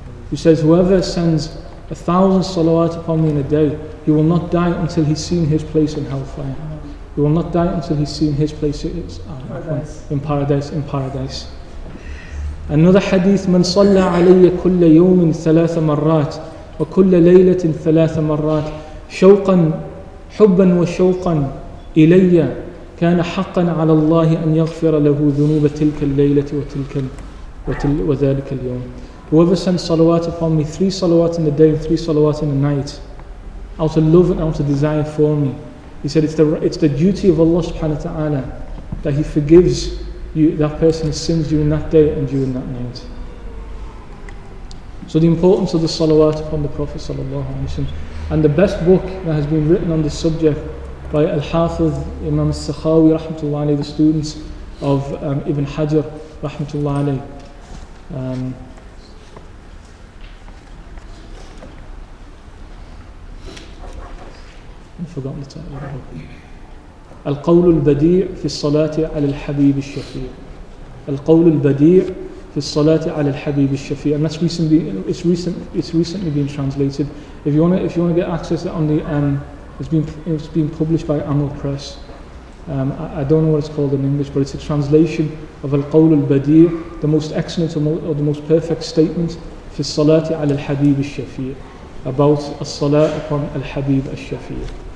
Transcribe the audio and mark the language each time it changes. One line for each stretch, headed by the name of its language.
English: He says, whoever sends 1,000 salawat upon me in a day, he will not die until he's seen his place in hellfire. He will not die until he's seen his place in paradise.
Arabic: Another hadith, من صلى علي كل يوم ثلاث مرات وكل ليلة ثلاث مرات شوقا حبا وشوقا إلي كان حقا على الله أن يغفر له ذنوب تلك الليلة وذلك اليوم.
English: Whoever sends salawat upon me, 3 salawat in the day and 3 salawat in the night, out of love and out of desire for me. He said, it's the duty of Allah subhanahu wa ta'ala that He forgives you, that person's sins during that day and during that night. So the importance of the salawat upon the Prophet sallallahu alayhi wa sallam. And the best book that has been written on this subject by Al-Hafiz Imam Al-Sakhawi rahmatullahi alayhi, the students of Ibn Hajar rahmatullahi alayhi. I've forgotten the title of the book.
Arabic: القول البديع في الصلاة على الحبيب الشفيع. القول البديع في الصلاة على الحبيب الشفيع.
English: And that's recently, it's recently been translated. If you want to get access to it on the it's been published by Amal Press. I don't know what it's called in English, but it's a translation of القول البديع, the most excellent or the most perfect statement في الصلاة على الحبيب الشفيع, about الصلاة upon الحبيب الشفيع.